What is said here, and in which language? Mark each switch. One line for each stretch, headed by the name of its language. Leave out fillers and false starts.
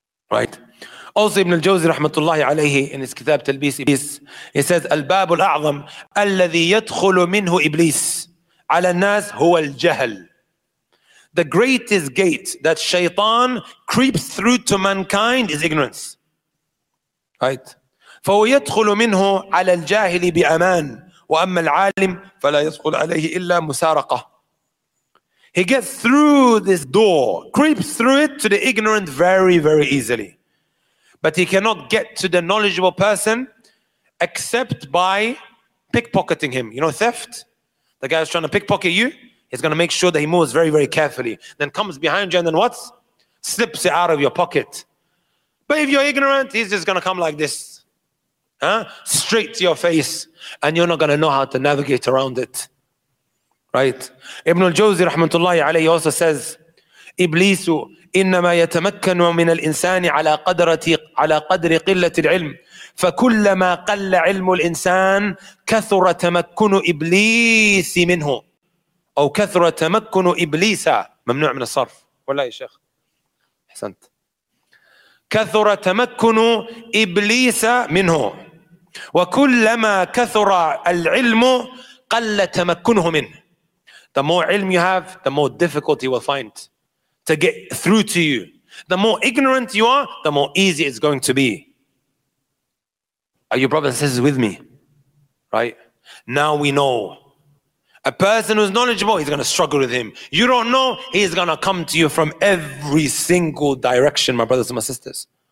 English: Right? Also, Ibn al-Jawzi, rahmatullahi alayhi, in his kitab, Talbis Iblis, he says,
Arabic: الباب الأعظم الذي يدخل منه إبليس على الناس هو الجهل.
English: The greatest gate that shaitan creeps through to mankind is ignorance. Right?
Arabic: فهو يدخل منه على الجاهل بأمان. وأما العالم فلا يدخل عليه إلا مسارقة.
English: He gets through this door, creeps through it to the ignorant very, very easily. But he cannot get to the knowledgeable person except by pickpocketing him. You know theft? The guy is trying to pickpocket you. He's going to make sure that he moves very, very carefully. Then comes behind you and then what? Slips it out of your pocket. But if you're ignorant, he's just going to come like this. Huh? Straight to your face. And you're not going to know how to navigate around it. Right? Ibn al-Jawzi, rahmatullahi alayhi, also says, Iblis,
Arabic: إِنَّمَا يَتَمَكَّنُ مِنَ الْإِنسَانِ عَلَى قَدْرِ قِلَّةِ الْعِلْمِ فَكُلَّمَا قَلَّ عِلْمُ الْإِنسَانِ كَثُرَ تَمَكُّنُ إِبْلِيسِ مِنْهُ. أو كثرة تمكن إبليس ممنوع من الصرف ولا يا شيخ حسنت كثرة تمكن إبليس منه وكلما كثر العلم قل تمكنه منه.
English: The more ilm you have, the more difficult you will find to get through to you. The more ignorant you are, the more easy it's going to be. Are you brothers and sisters with me? Right? Now we know. A person who's knowledgeable, he's going to struggle with him. You don't know, he's going to come to you from every single direction, my brothers and my sisters.